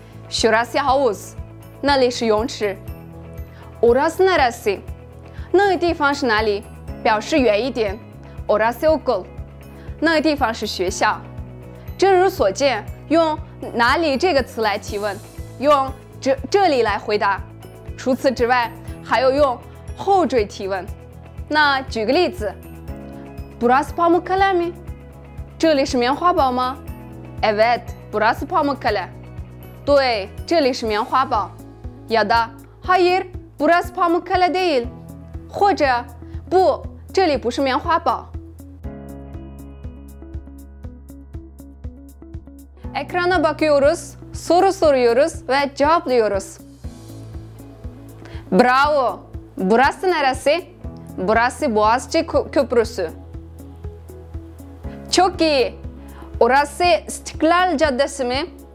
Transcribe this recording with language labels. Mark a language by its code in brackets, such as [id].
[tr] Şurası havuz. [zh] 那里是泳池. [tr] Orası neresi? [zh] 那个地方是哪里?表示远一点. [tr] Orası okul. [zh] 那个地方是学校. 正如所见, 用哪里这个词来提问, 用这里来回答. 除此之外, 还有用后缀提问. 那举个例子, [tr] Burası Pamukkale mi? [zh] 这里是棉花堡吗? [tr] Evet, burası Pamukkale. [zh] 对,这里是棉花堡. [tr] Ya da, hayır, burası Pamukkale değil. [zh] 或者, 不,这里不是棉花堡. [tr] Ekrana bakıyoruz, soru soruyoruz ve cevaplıyoruz. Bravo! Burası neresi? Burası Boğazcı Köprüsü. Çok iyi! Orası İstiklal Caddesi mi?